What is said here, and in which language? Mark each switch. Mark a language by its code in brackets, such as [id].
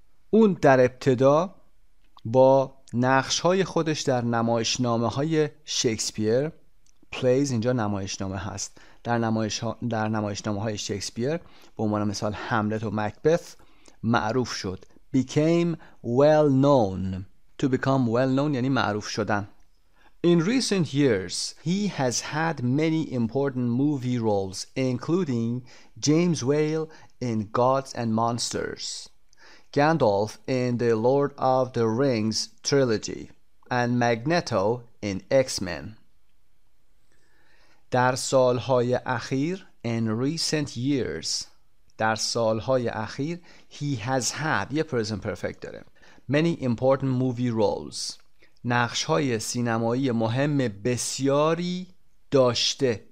[fa] اون در ابتدا با نقش‌های خودش در نمایشنامه‌های شکسپیر، [en] plays [fa] اینجا نمایشنامه هست، در نمایشنامه‌های شکسپیر به عنوان مثال هملت و مکبث معروف شد. [en] became well known، to become well known [fa] یعنی معروف شدن. [en] In recent years he has had many important movie roles including James Whale in Gods and Monsters، Gandalf in the Lord of the Rings trilogy and Magneto in X-Men. [fa] در سالهای اخیر، [en] in recent years، [fa] در سالهای اخیر، [en] he has had، [fa] یه present perfect داره، [en] many important movie roles، [fa] نقشهای سینمایی مهم بسیاری داشته.